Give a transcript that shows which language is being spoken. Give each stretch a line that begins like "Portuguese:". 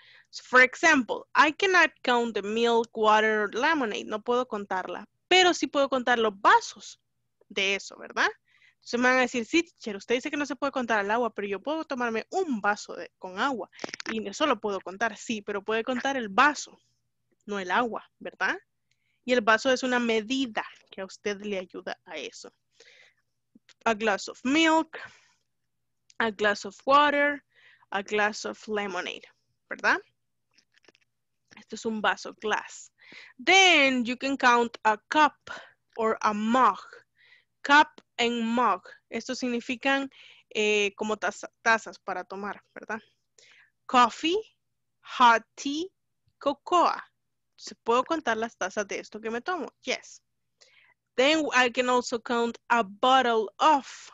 English: So, for example, I cannot count the milk, water, lemonade.
Spanish: No puedo contarla, pero sí puedo contar los vasos de eso, ¿verdad? Entonces me van a decir, sí, teacher, usted dice que no se puede contar el agua, pero yo puedo tomarme un vaso con agua y eso lo puedo contar. Sí, pero puede contar el vaso. No el agua, ¿verdad? Y el vaso es una medida que a usted le ayuda a eso.
English: A glass of milk, a glass of water, a glass of lemonade, ¿verdad?
Spanish: Este es un vaso,
English: glass. Then you can count a cup or a mug. Cup and mug.
Spanish: Esto significan como tazas para tomar, ¿verdad?
English: Coffee, hot tea, cocoa.
Spanish: ¿Se puedo contar las tazas de esto que me tomo?
English: Yes. Then I can also count a bottle of.